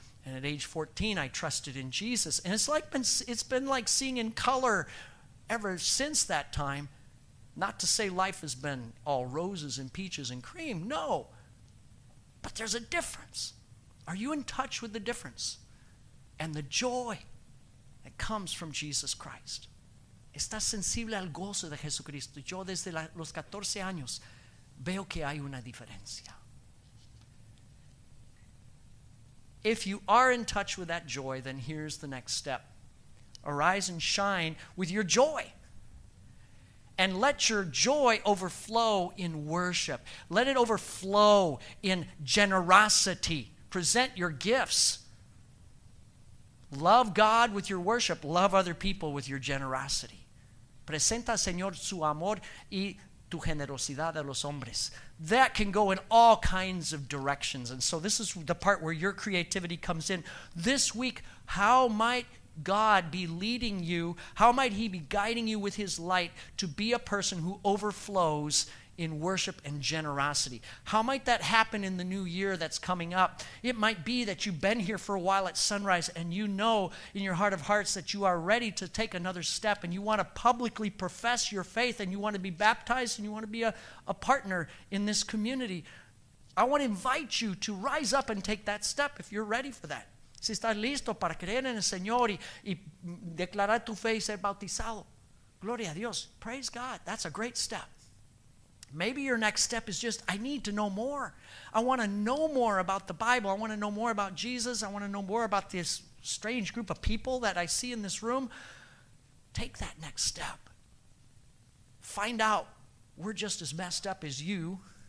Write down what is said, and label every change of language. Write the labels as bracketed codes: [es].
[en] And at age 14, I trusted in Jesus. And it's been like seeing in color ever since that time. Not to say life has been all roses and peaches and cream. No. But there's a difference. Are you in touch with the difference and the joy that comes from Jesus Christ? [es] ¿Estás sensible al gozo de Jesucristo? Yo desde los 14 años veo que hay una diferencia. [en] If you are in touch with that joy, then here's the next step. Arise and shine with your joy. And let your joy overflow in worship. Let it overflow in generosity. Present your gifts. Love God with your worship. Love other people with your generosity. [es] Presenta, Señor, su amor y tu generosidad a los hombres. [en] That can go in all kinds of directions. And so this is the part where your creativity comes in. This week, how might God be leading you? How might he be guiding you with his light to be a person who overflows in worship and generosity? How might that happen in the new year that's coming up? It might be that you've been here for a while at Sunrise and you know in your heart of hearts that you are ready to take another step and you want to publicly profess your faith and you want to be baptized and you want to be a partner in this community. I want to invite you to rise up and take that step if you're ready for that. [es] Si estás listo para creer en el Señor y declarar tu fe y ser bautizado. Gloria a Dios. [en] Praise God. That's a great step. Maybe your next step is just, I need to know more. I want to know more about the Bible. I want to know more about Jesus. I want to know more about this strange group of people that I see in this room. Take that next step. Find out we're just as messed up as you.